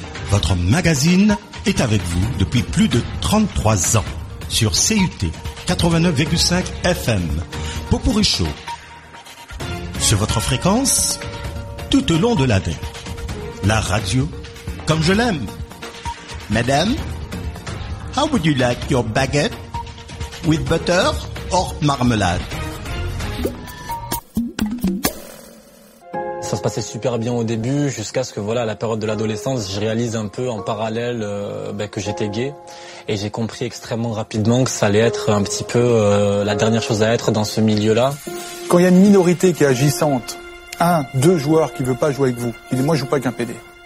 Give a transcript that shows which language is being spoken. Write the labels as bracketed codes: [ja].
[fr] Votre magazine est avec vous depuis plus de 33 ans. Sur CUT 89,5 FM, Popourri Show, sur votre fréquence, tout au long de l'année, la radio, comme je l'aime. [en] Madame, how would you like your baguette, with butter or marmalade? [fr] Ça se passait super bien au début, jusqu'à ce que voilà, à la période de l'adolescence, je réalise un peu en parallèle que j'étais gay. Et j'ai compris extrêmement rapidement que ça allait être un petit peu la dernière chose à être dans ce milieu-là. Quand il y a une minorité qui est agissante, un, deux joueurs qui ne veulent pas jouer avec vous, il dit « moi, je ne joue pas avec un PD ».